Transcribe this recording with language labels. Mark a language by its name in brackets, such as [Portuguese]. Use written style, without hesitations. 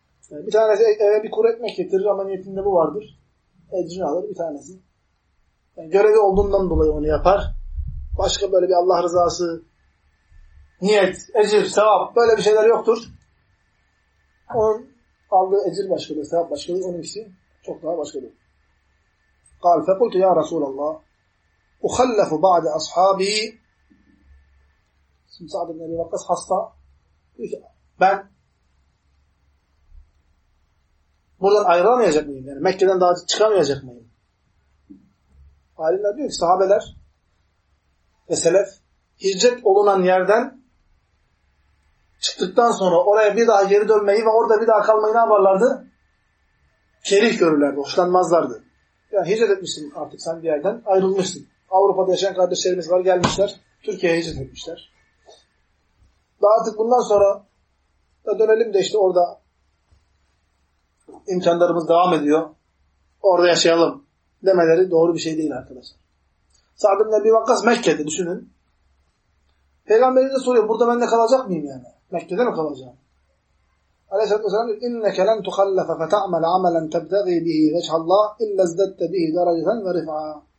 [Turkish] Bir tanesi eve bir kuru ekmek getirir ama niyetinde bu vardır. Ecrini alır bir tanesi. Yani görevi olduğundan dolayı onu yapar. Başka böyle bir Allah rızası, niyet, ecir, sevap böyle bir şeyler yoktur. Onun aldığı ecir başkadır, sevap başkadır. Onunkisi çok daha başkadır. [Arabic] قال فقلت يا رسول الله أخلف بعد أصحابي. [Turkish] Şimdi Sa'd ibn Ebi Vakkas hasta. Diyor ki ben buradan ayrılamayacak mıyım? Yani Mekke'den daha çıkamayacak mıyım? Alimler diyor ki sahabeler ve selef hicret olunan yerden çıktıktan sonra oraya bir daha geri dönmeyi ve orada bir daha kalmayı ne yaparlardı? Kerih görürlerdi, hoşlanmazlardı. Yani hicret etmişsin artık sen bir yerden, ayrılmışsın. Avrupa'da yaşayan kardeşlerimiz var, gelmişler. Türkiye'ye hicret etmişler. Daha artık bundan sonra da dönelim de işte orada imkanlarımız devam ediyor. Orada yaşayalım demeleri doğru bir şey değil arkadaşlar. Sa'd ibn Ebi Vakkas Mekke'de düşünün. Peygamberi de soruyor, burada ben de kalacak mıyım yani? Mekke'de mi kalacağım? Aleyhisselatü Vesselam diyor, [Arabic] اِنَّكَ لَنْ تُخَلَّفَ فَتَعْمَلَ عَمَلًا تَبْدَغِي بِهِ وَجْهَ اللّٰهِ اِلَّا اَزْدَدَّ بِهِ دَرَجَةً وَرِفْعًا.